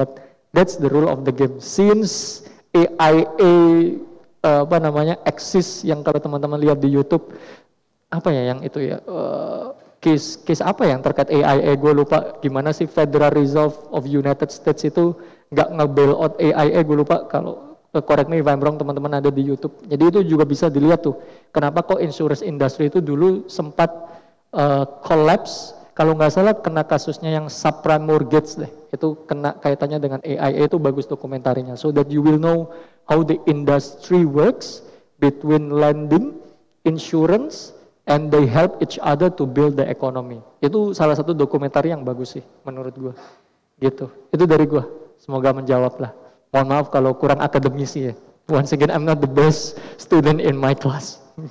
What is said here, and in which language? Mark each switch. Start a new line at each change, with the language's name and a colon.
English: But that's the rule of the game. Since AIA exist,
Indonesian: yang kalau teman-teman lihat di YouTube, apa ya yang itu ya, case apa yang terkait AIA, gue lupa, gimana sih Federal Reserve of United States itu gak nge-bail out AIA, gue lupa, kalau
English: correct me if I'm wrong,
Indonesian: teman-teman ada di YouTube. Jadi itu juga bisa dilihat tuh, kenapa kok insurance industry itu dulu sempat collapse, kalau gak salah kena kasusnya yang subprime mortgage deh, itu kena kaitannya dengan AIA, itu bagus dokumentarinya.
English: So that you will know how the industry works between lending, insurance, and they help each other to build the economy.
Indonesian: Itu salah satu dokumenter yang bagus sih menurut gue. Gitu. Itu dari gue. Semoga menjawab lah. Mohon maaf kalau kurang akademisi ya.
English: Once again, I'm not the best student in my class.